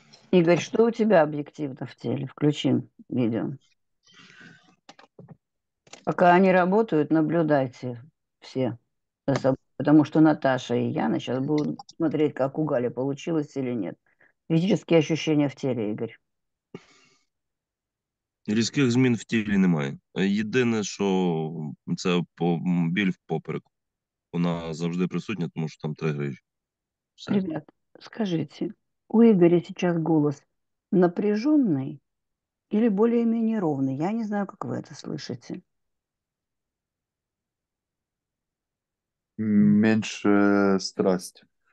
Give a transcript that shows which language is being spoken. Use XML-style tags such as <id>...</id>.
<ru>Игорь, что у тебя объективно в теле? Включи видео. Пока они работают, наблюдайте все за собой. Потому что Наташа и Яна сейчас будут смотреть, как у Гали получилось или нет. Физические ощущения в теле, Игорь.</ru> <uk>Різких змін в тілі немає. Єдине, що це біль в попереку. Вона завжди присутня, тому що там тригриж.</uk> <ru>Ребят, скажите, у Игоря сейчас голос напряженный или более-менее ровный? Я не знаю, как вы это слышите. Меньше страсть.</ru>